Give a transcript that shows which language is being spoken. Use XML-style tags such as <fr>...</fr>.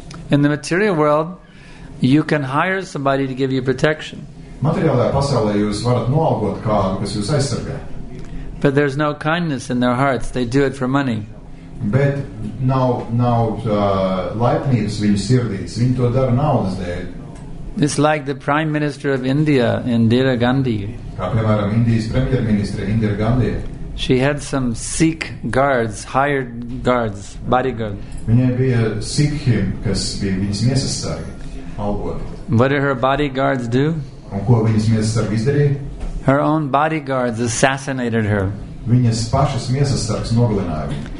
<en>In the material world, you can hire somebody to give you protection. But there's no kindness in their hearts. They do it for money.</en> <lv>Bet nav laipnības viņu sirdīs. Viņi to dara naudas dēļ.</lv> <en>It's like the Prime Minister of India, Indira Gandhi.</en> <lv>Kā piemēram, Indijas premjerministre Indira Gandhi.</lv> <en>She had some Sikh guards, hired guards, bodyguards.</en> <lv>Viņai bija Sikhi, kas bija viņas miesas sargi.</lv> <en>What did her bodyguards do?</en> <lv>Un ko viņas miesas sargi izdarīja?</lv> <en>Her own bodyguards assassinated her.</en> <lv>Viņas pašas miesas sargs nogalināja.</lv>